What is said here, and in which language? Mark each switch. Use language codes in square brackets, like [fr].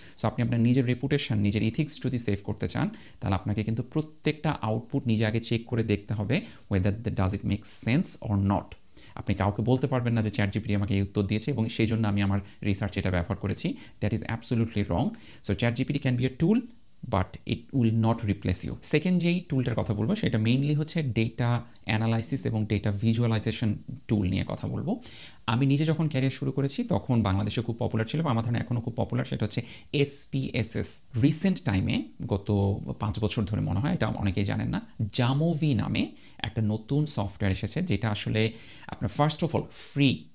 [bn] So আপনি আপনার নিজের রেপুটেশন, নিজের ইথিক্স যদি সেভ করতে চান, তাহলে আপনাকে কিন্তু প্রত্যেকটা আউটপুট নিজে আগে চেক করে দেখতে হবে, [en] Whether does it make sense or not. [bn] আপনি কাউকে বলতে পারবেন না যে ChatGPT আমাকে এই উত্তর দিয়েছে এবং সেই জন্য আমি আমার রিসার্চ এটা ব্যবহার করেছি, [en] That is absolutely wrong. So ChatGPT can be a tool, but it will not replace you. [bn] Second যেই টুলটার কথা বলবো সেটা মেইনলি হচ্ছে ডেটা অ্যানালাইসিস এবং ডেটা ভিজুয়ালাইজেশন টুল নিয়ে কথা বলবো। আমি নিজে যখন ক্যারিয়ার শুরু করেছি তখন বাংলাদেশে খুব পপুলার ছিল, আমার ধরনের এখনও খুব পপুলার, সেটা হচ্ছে SPSS। রিসেন্ট টাইমে গত 5 বছর ধরে মনে হয়, এটা অনেকেই জানেন না, জামোভি নামে একটা নতুন সফটওয়্যার এসেছে যেটা আসলে আপনার ফার্স্ট অফ অল ফ্রি।